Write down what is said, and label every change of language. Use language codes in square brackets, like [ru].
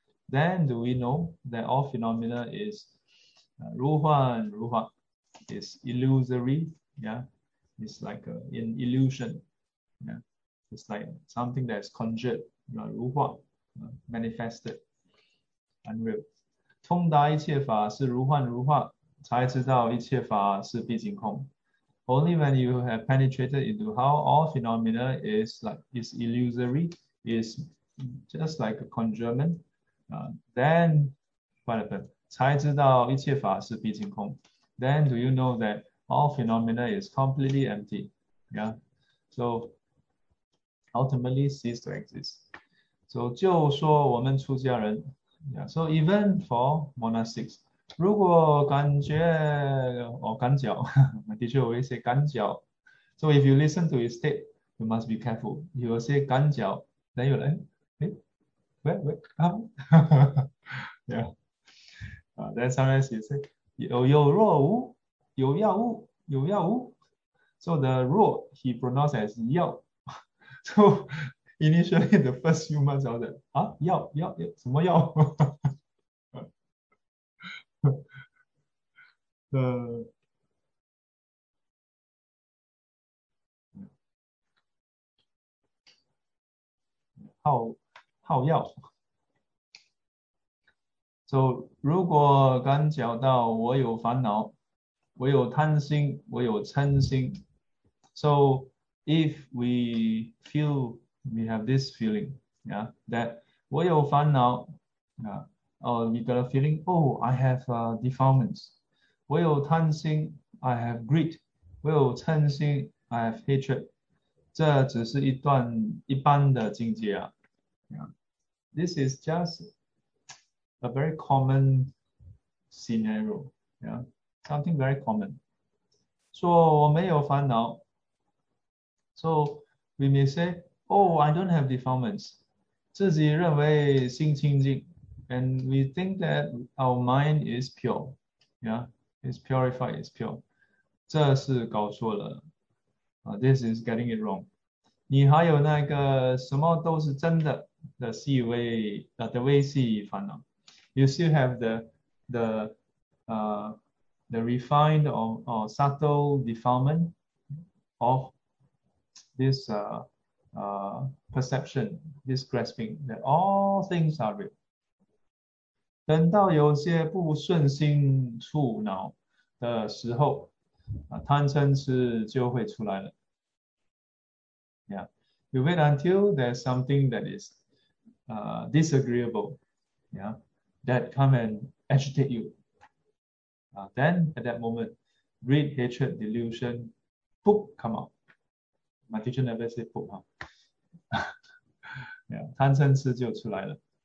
[en] Then do we know that all phenomena is [zh] 如幻如化, [en] is illusory, yeah? It's like an illusion, yeah? It's like something that is conjured, 如幻, manifested, unreal. [zh] 通达一切法是如幻如化，才知道一切法是毕竟空。 [en] Only when you have penetrated into how all phenomena is illusory, is just like a conjurement, then what happened? [zh] 才知道一切法是毕竟空。 [en] Then do you know that all phenomena is completely empty? Yeah. So ultimately cease to exist. [zh] So 就说我们出家人。 [en] Yeah, so even for monastics, [zh] 如果感觉哦感脚，的确我会说感脚。 [en] So if you listen to his tape, you must be careful. He will say 感脚，then you like, 哎，wait, yeah. Then sometimes he say [zh] 有若无，有药物。 [en] So the 若 he pronounce as 药。 So initially the first few months of that 药什么药？ [zh] 耗药。 So 如果感觉到我有烦恼，我有贪心，我有嗔心。 [en] So if we feel we have this feeling, yeah, that [zh] 我有烦恼啊，哦， [en] we got a feeling, oh, I have defilements。 [zh] 我有贪心， [en] I have greed； [zh] 我有嗔心， [en] I have hatred。 [zh] 这只是一段一般的境界啊。 [en] This is just a very common scenario, yeah, something very common。 [zh] 说我没有烦恼， [en] so we may say, oh, I don't have defilements。 [zh] 自己认为心清净， [en] and we think that our mind is pure, yeah。 It's purified, it's pure。 [zh] 这是搞错了啊， [en] This is getting it wrong。 [zh] 你还有那个什么都是真的的细微啊的微细烦恼。 [en] You still have the refined or subtle defilement of this perception, this grasping that all things are real。 [zh] 等到有些不顺心触恼。的时候，啊，贪嗔痴就会出来了。 [en] Yeah, you wait until there's something that is, disagreeable, yeah, that come and agitate you. Then at that moment, greed, hatred, delusion, poof, come out. My teacher never say poof, Yeah, [zh] 贪嗔痴就出来了。